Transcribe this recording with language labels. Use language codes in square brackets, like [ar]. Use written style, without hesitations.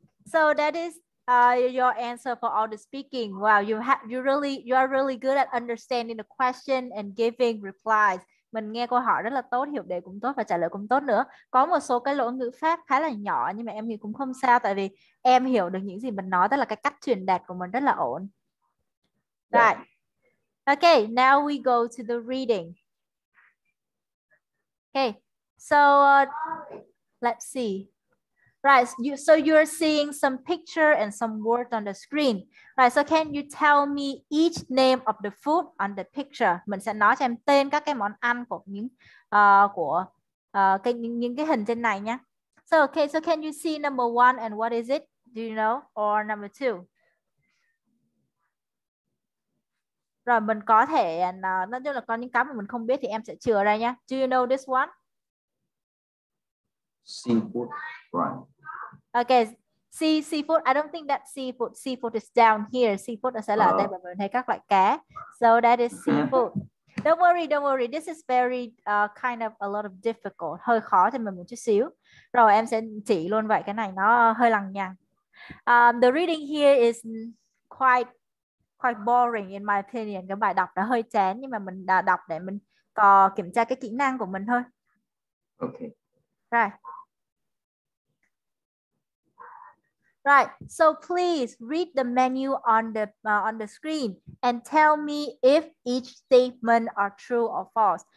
[en] So that is your answer for all the speaking. Wow, you are really good at understanding the question and giving replies. [vi] Mình nghe câu hỏi rất là tốt, hiểu đề cũng tốt và trả lời cũng tốt nữa. Có một số cái lỗi ngữ pháp khá là nhỏ nhưng mà em nghĩ cũng không sao tại vì em hiểu được những gì mình nói, tức là cái cách truyền đạt của mình rất là ổn. [en] Right. Okay, now we go to the reading. Okay. So let's see. Right, so you're seeing some picture and some words on the screen. Right, so can you tell me each name of the food on the picture? [vi] Mình sẽ nói cho em tên các cái món ăn của những cái hình trên này nhé. [en] So okay, so can you see number one and what is it? Do you know? Or number two? [vi] Rồi mình có thể nói chung là có những cái mà mình không biết thì em sẽ chừa ra nhé. [en] Do you know this one? Seafood, right. Okay, seafood. I don't think that's seafood. Seafood is down here. Seafood is [vi] ở đây, mọi người thấy các loại cá. [en] So that is seafood. Don't worry. This is very kind of a lot of difficult. [vi] Hơi khó thì mình một chút xíu. Rồi em sẽ chỉ luôn vậy. Cái này nó hơi lằng nhằng. [en] The reading here is quite boring in my opinion. [vi] Cái bài đọc nó hơi chán nhưng mà mình đã đọc để mình có kiểm tra cái kỹ năng của mình thôi. [en] Okay. Right. Right, so please read the menu on the screen and tell me if each statement are true or false.